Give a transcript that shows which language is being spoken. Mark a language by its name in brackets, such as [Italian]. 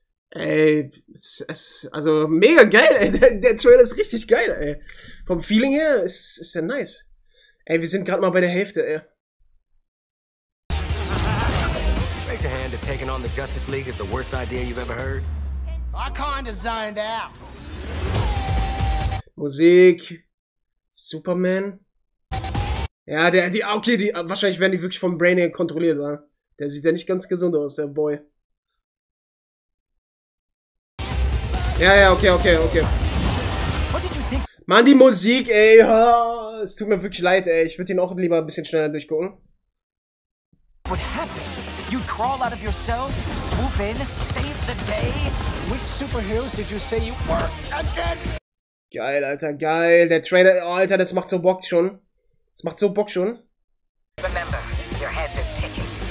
[German] Ey, also mega geil, ey. Der Trailer ist richtig geil, ey. Vom Feeling her ist der nice. Ey, wir sind gerade mal bei der Hälfte, ey. [English] Taking on the Justice League is the worst idea you've ever heard. I kinda zoned out. [German] Musik. Superman. Ja, wahrscheinlich werden die wirklich vom Brain kontrolliert, oder? Der sieht ja nicht ganz gesund aus, der Boy. Ja, okay. [English] What did you think? [German] Mann, die Musik, ey. Oh, es tut mir wirklich leid, ey. Ich würde ihn auch lieber ein bisschen schneller durchgucken. [English] What happened? You'd crawl out of your cells, swoop in, save the day. Which superheroes did you say you were? [German] Again? Geil, Alter, geil. Der Trailer, oh, Alter, das macht so Bock schon. Das macht so Bock schon. [English] Remember, your head is ticking.